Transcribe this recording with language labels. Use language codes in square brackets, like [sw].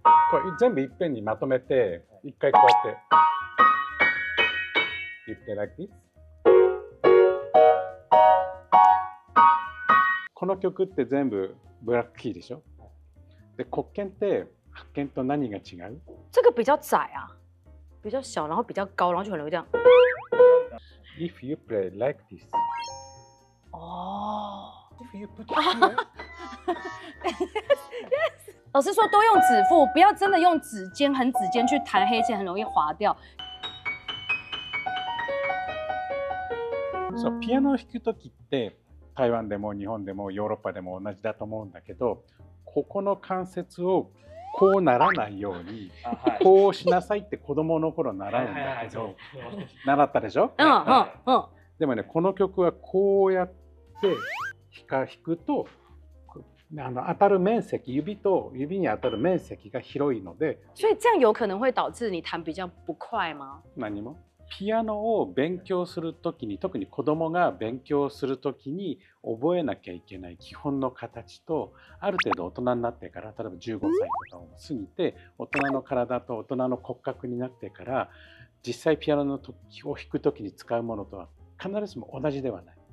[ja] これ全部一遍にまとめて、一回こうやって。 [en] You play like this? [ja] この曲って全部ブラックキーでしょ？で、黒鍵って、白鍵と何が違う？ [zh] 这个比较窄啊，比较小，然后比较高，然后就很容易这样。 [en] If you play like this, oh, if you put it here, yes, yes. [zh] 老师说多用指腹，不要真的用指尖很指尖去弹黑键，很容易滑掉。 [ja] So, ピアノを弾くときって、台湾でも日本でもヨーロッパでも同じだと思うんだけど、ここの関節をこうならないように、こうしなさいって子供の頃習うんだけど、習ったでしょ？うんうんうん。でもね、この曲はこうやって弾くと、当たる面積、指に当たる面積が広いので、 [zh] 所以这样有可能会导致你弹比较不快吗？ [ja] 何も。ピアノを勉強するときに、特に子供が勉強するときに覚えなきゃいけない基本の形と、ある程度大人になってから、例えば15歳とかを過ぎて、大人の体と大人の骨格になってから、実際ピアノの時を弾くときに使うものとは必ずしも同じではない。